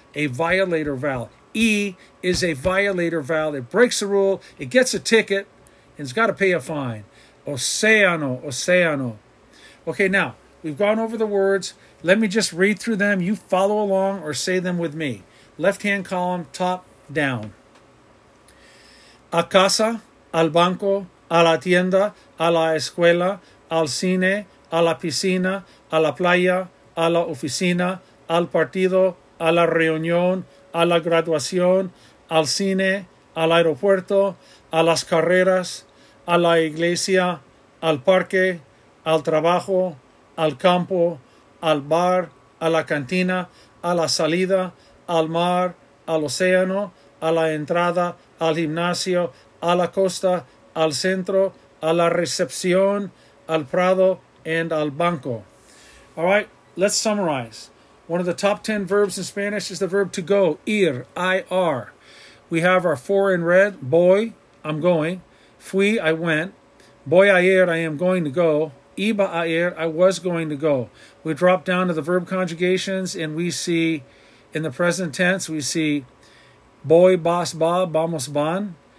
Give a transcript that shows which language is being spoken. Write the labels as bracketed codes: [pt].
[en] A violator vowel. E is a violator vowel. It breaks the rule. It gets a ticket, and it's got to pay a fine. [es] Océano, océano. [en] Okay, now, we've gone over the words. Let me just read through them. You follow along or say them with me. Left-hand column, top down. [es] A casa, al banco, a la tienda, a la escuela, al cine, a la piscina, a la playa, a la oficina, al partido, a la reunión, a la graduación, al cine, al aeropuerto, a las carreras, a la iglesia, al parque, al trabajo, al campo, al bar, a la cantina, a la salida, al mar, al océano, a la entrada, al gimnasio, a la costa, al centro, a la recepción, al prado, and al banco. [en] All right, let's summarize. One of the top 10 verbs in Spanish is the verb to go, ir, I-R. We have our four in red, voy, I'm going, fui, I went, [es] voy a ir, [en] I am going to go, [es] iba a ir, [en] I was going to go. We drop down to the verb conjugations and we see in the present tense, we see [es] voy, vas, va, vamos, van.